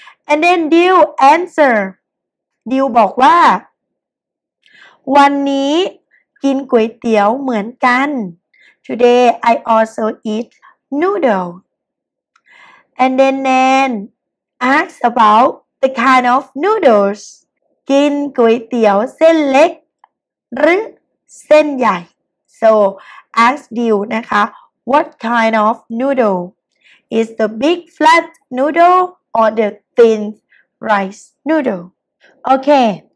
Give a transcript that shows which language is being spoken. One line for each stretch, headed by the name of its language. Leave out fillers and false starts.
English: And then Dil answer, Dil
Thai: บอกว่าวันนี้กินก๋วยเตี๋ยวเหมือนกัน
English: Today I also eat noodle. And then Nan asks about the kind of noodles.
Thai: กินก๋วยเตี๋ยวเส้นเล็กหรือเส้นใหญ่
English: So ask Dil นะคะ What kind of noodle? Is the big flat noodle or the thin rice noodle? Okay.